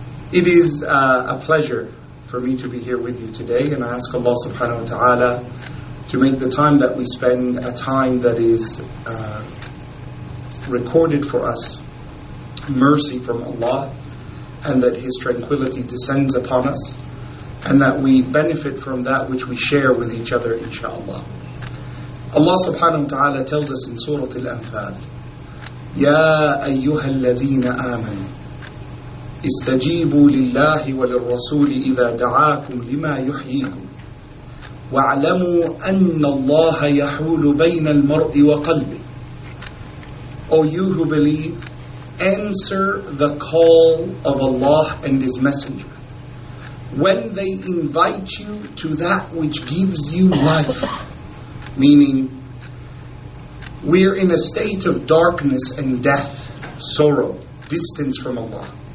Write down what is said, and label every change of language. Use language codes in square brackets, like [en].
[en] It is a pleasure for me to be here with you today, and I ask Allah subhanahu wa ta'ala to make the time that we spend a time that is recorded for us, mercy from Allah, and that His tranquility descends upon us, and that we benefit from that which we share with each other, inshaAllah. Allah subhanahu wa ta'ala tells us in Surah Al-Anfal, [ar] يَا أَيُّهَا الَّذِينَ آمَنُوا استجيبوا لله وللرسول إذا دعاكم لما يحييكم واعلموا أن الله يحول بين المرء وقلبه. [en] O you who believe, answer the call of Allah and His Messenger. When they invite you to that which gives you life, meaning we're in a state of darkness and death, sorrow, distance from Allah,